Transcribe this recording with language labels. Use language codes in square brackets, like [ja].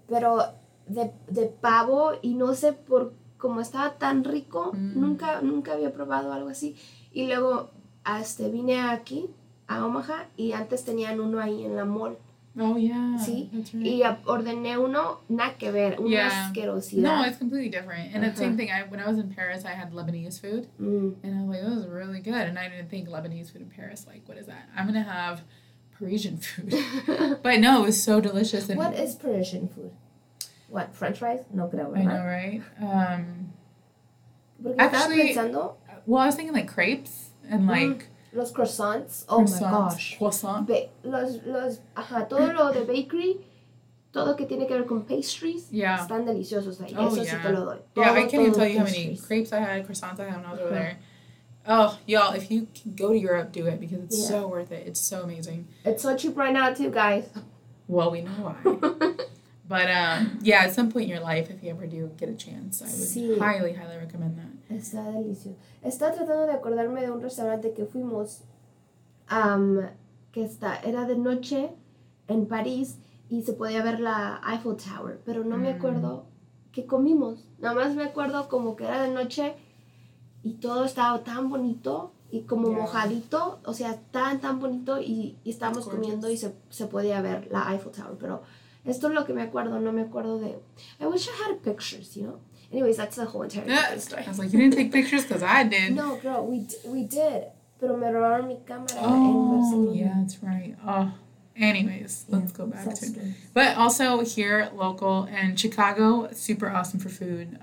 [es] Pero de pavo, y no sé por cómo estaba tan rico, nunca había probado algo así. Y luego vine aquí, a Omaha, y antes tenían uno ahí en la mall. [en] Oh, yeah. [es] Sí. [en] That's right. [es] Y ordené uno, nada que ver, una asquerosidad. [en] No, it's completely different. And the same thing, when I was in Paris, I had Lebanese food. Mm. And I was like, that was really good. And I didn't think Lebanese food in Paris, like, what is that? I'm going to have Parisian food. But no, it was so delicious. And what is Parisian food? What, French fries? [es] No creo, ¿verdad? [en] I know, right? Actually, I was thinking like crepes and like... [es] Los croissants. Croissant. Los, ajá, todo lo de bakery, todo que tiene que ver con pastries, yeah, están deliciosos ahí. Oh, eso yeah. Sí te lo doy. [en] Yeah, I can't even tell you how many crepes I had, croissants I had when I was over there. Oh, y'all, if you can go to Europe, do it, because it's so worth it. It's so amazing. It's so cheap right now, too, guys. Well, we know why. But, at some point in your life, if you ever do get a chance, I would highly, highly recommend that. [es] Está delicioso. Estaba tratando de acordarme de un restaurante que fuimos, que está, era de noche en París y se podía ver la Eiffel Tower, pero no me acuerdo qué comimos. Nada más me acuerdo como que era de noche y todo estaba tan bonito y como mojadito, o sea, tan, tan bonito y estábamos comiendo y se podía ver la Eiffel Tower, pero... Esto es lo que me acuerdo, no me acuerdo de... [en] I wish I had pictures, you know? Anyways, that's the whole entire story. I was like, you didn't take pictures because I did. No, girl, we did. [es] Pero me robaron mi cámara. Oh, en Barcelona. [en] Yeah, that's right. Oh, anyways, let's go back to it. But also here, local, and Chicago, super awesome for food.